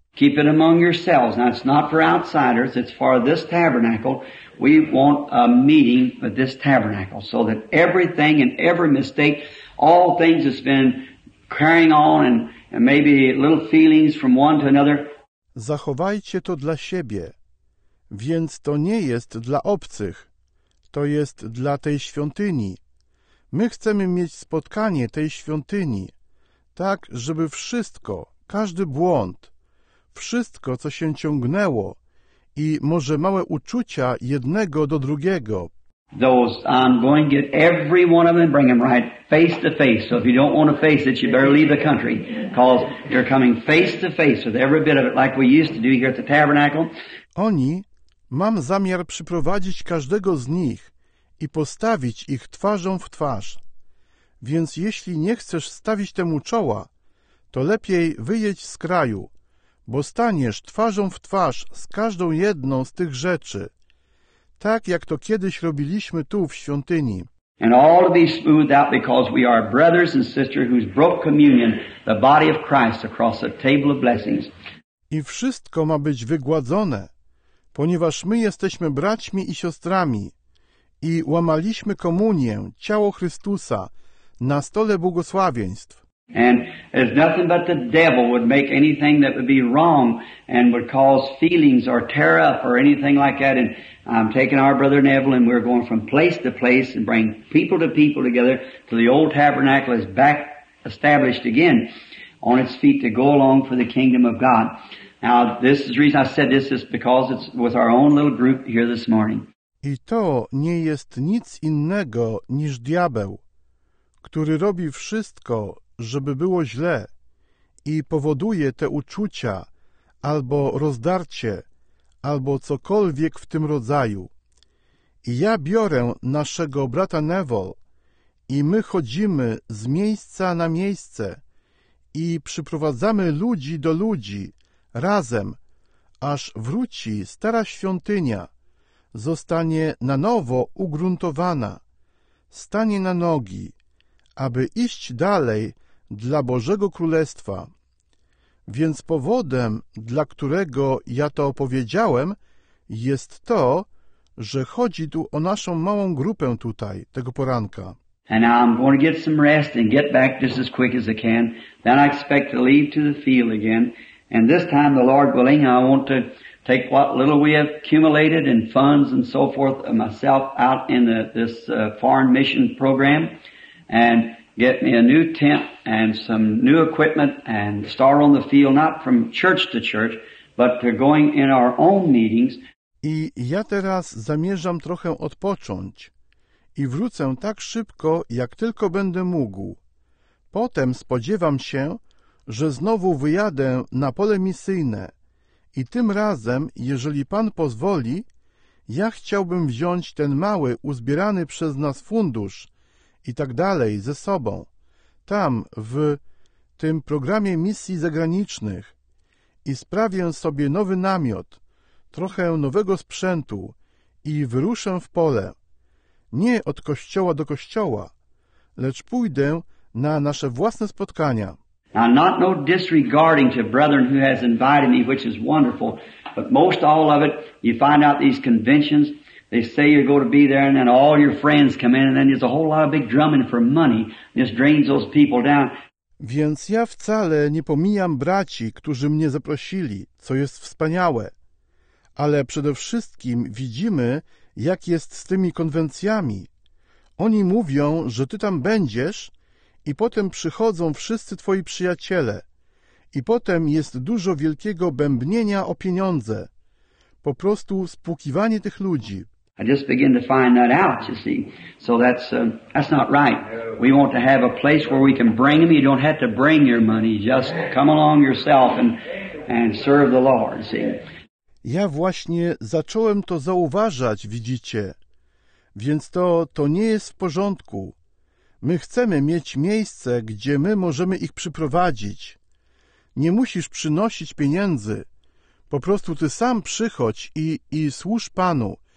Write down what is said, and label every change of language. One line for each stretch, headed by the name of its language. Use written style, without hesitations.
English: Keep it among yourselves. Now it's not for outsiders, it's for this tabernacle. We want a meeting with this tabernacle so that everything and every mistake, all things that's been carrying on and maybe little feelings from one to another.
Polish: Zachowajcie to dla siebie, więc to nie jest dla obcych, to jest dla tej świątyni. My chcemy mieć spotkanie tej świątyni, tak żeby wszystko, każdy błąd, wszystko, co się ciągnęło i może małe uczucia jednego do drugiego.
English: Those, I'm going to get every one of them, bring them right face to face. So if you don't want to face it, you better leave the country. Because you're coming face to face with every bit of it, like we used to do here at the tabernacle.
Polish: Oni, mam zamiar przyprowadzić każdego z nich i postawić ich twarzą w twarz. Więc jeśli nie chcesz stawić temu czoła, to lepiej wyjedź z kraju. Bo staniesz twarzą w twarz z każdą jedną z tych rzeczy, tak jak to kiedyś robiliśmy tu w świątyni.
English: And all to be smoothed out because we are brothers and sisters who's broke communion, the body of Christ across the table of blessings.
Polish: I wszystko ma być wygładzone, ponieważ my jesteśmy braćmi i siostrami i łamaliśmy komunię, ciało Chrystusa, na stole błogosławieństw.
English: And there's nothing but the devil would make anything that would be wrong and would cause feelings or tear up or anything like that. And I'm taking our brother Neville and we're going from place to place and bring people to people together till the old tabernacle is back established again on its feet to go along for the kingdom of God. Now, this is the reason I said this is because it's with our own little group here this morning.
Polish: I to nie jest nic innego niż diabeł, który robi wszystko, żeby było źle i powoduje te uczucia albo rozdarcie albo cokolwiek w tym rodzaju. I ja biorę naszego brata Neville i my chodzimy z miejsca na miejsce i przyprowadzamy ludzi do ludzi razem, aż wróci stara świątynia, zostanie na nowo ugruntowana, stanie na nogi, aby iść dalej dla Bożego Królestwa. Więc powodem, dla którego ja to opowiedziałem, jest to, że chodzi tu o naszą małą grupę tutaj, tego poranka.
English: And I'm going to get some rest and get back just as quick as I can. Then I expect to leave to the field again. And this time, the Lord willing, I want to take what little we have accumulated in funds and so forth myself out in this foreign mission program and get me a new tent and some new equipment and start on the field, not from church to church, but to going in our own meetings.
Polish: I ja teraz zamierzam trochę odpocząć i wrócę tak szybko, jak tylko będę mógł. Potem spodziewam się, że znowu wyjadę na pole misyjne i tym razem, jeżeli Pan pozwoli, ja chciałbym wziąć ten mały, uzbierany przez nas fundusz i tak dalej ze sobą, tam, w tym programie misji zagranicznych i sprawię sobie nowy namiot, trochę nowego sprzętu i wyruszę w pole. Nie od kościoła do kościoła, lecz pójdę na nasze własne spotkania.
English: Now, not no disregarding to brethren who has invited me, which is wonderful, but most all of it, you find out these conventions, they say you're going to be there, and then all your friends come in, and then there's a whole lot of big drumming for money, and this drains those people down.
Polish: Więc ja wcale nie pomijam braci, którzy mnie zaprosili, co jest wspaniałe. Ale przede wszystkim widzimy, jak jest z tymi konwencjami. Oni mówią, że ty tam będziesz, i potem przychodzą wszyscy twoi przyjaciele. I potem jest dużo wielkiego bębnienia o pieniądze. Po prostu spłukiwanie tych ludzi.
English: I just begin to find that out, you see. So that's not right. We want to have a place where we can bring them. You don't have to bring your money. Just come along yourself and serve the Lord, see.
Polish: Ja właśnie zacząłem to zauważać, widzicie. Więc to nie jest w porządku. My chcemy mieć miejsce, gdzie my możemy ich przyprowadzić. Nie musisz przynosić pieniędzy. Po prostu ty sam przychodź i służ Panu.